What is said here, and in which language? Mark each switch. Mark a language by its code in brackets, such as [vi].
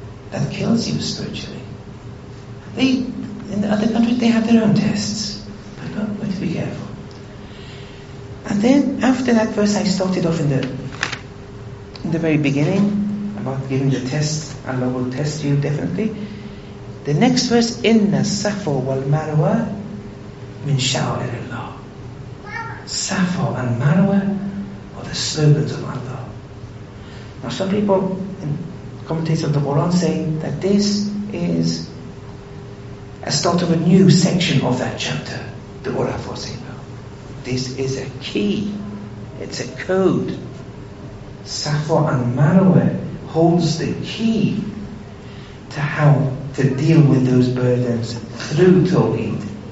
[en] That kills you spiritually. In the other countries, they have their own tests. But we have to be careful. And then, after that verse, I started off in the very beginning, about giving the test. Allah will test you, definitely. The next verse, [ar] إِنَّ السَّفَا وَالْمَرْوَى مِنْ شَعَائِرِ اللَّهِ. [en] Safa and Marwa are the slogans of Allah. Now some people, commentators of the Quran, say that this is a start of a new section of that chapter, the Ura for Sina. This is a key. It's a code. Safa and Marwa holds the key to how to deal with those burdens through Tawheed.